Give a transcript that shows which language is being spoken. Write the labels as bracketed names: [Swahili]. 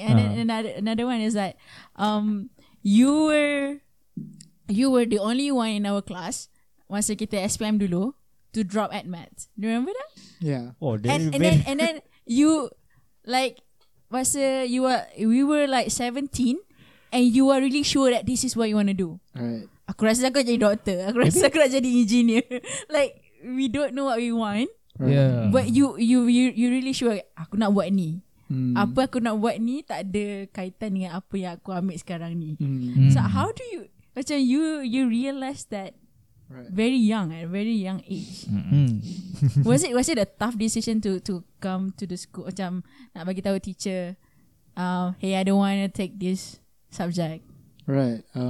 [English] And then another one is that you were the only one in our class once [Malay] kita SPM dulu [English] to drop at maths. Do you remember that? Yeah. Oh, and then you like. Was we were like 17, and you are really sure that this is what you want to do. Right. [Malay] Aku rasa aku jadi doktor. Aku rasa aku nak jadi engineer. [English] Like we don't know what we want. Right. Yeah. But you really sure [Malay] aku nak buat ni. Apa aku nak buat ni tak ada kaitan dengan apa yang aku ambil sekarang ni. [English] So how do you [Malay] macam [English] you realize that very young at a very young age? was it a tough decision to come to the school [Malay] macam nak bagi tahu teacher [English] hey, I don't want to take this subject? Right.